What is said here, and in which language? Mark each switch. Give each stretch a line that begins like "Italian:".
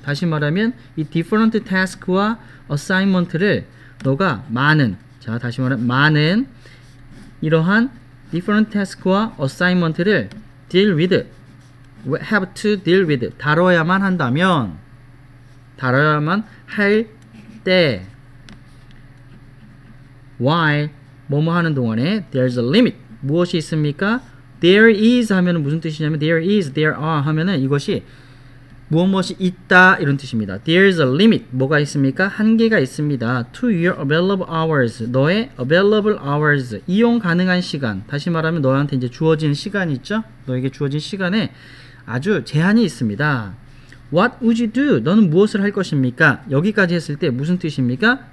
Korean: 다시 말하면 이
English: different task와 assignment를
Korean: 너가 많은, 자 다시 말하면 많은 이러한
English: different task와 assignment를 deal with, have to deal with,
Korean: 다뤄야만 한다면, 다뤄야만 할 때,
English: while
Korean: 뭐뭐 하는 동안에
English: there's a limit,
Korean: 무엇이 있습니까?
English: There is
Korean: 하면은 무슨 뜻이냐면
English: there is, there are
Korean: 하면은 이것이 무엇무엇이 있다 이런 뜻입니다.
English: There is a limit.
Korean: 뭐가 있습니까? 한계가 있습니다.
English: To your available hours. 너의 available hours.
Korean: 이용 가능한 시간. 다시 말하면 너한테 이제 주어진 시간 있죠? 너에게 주어진 시간에 아주 제한이 있습니다.
English: What would you do?
Korean: 너는 무엇을 할 것입니까? 여기까지 했을 때 무슨 뜻입니까?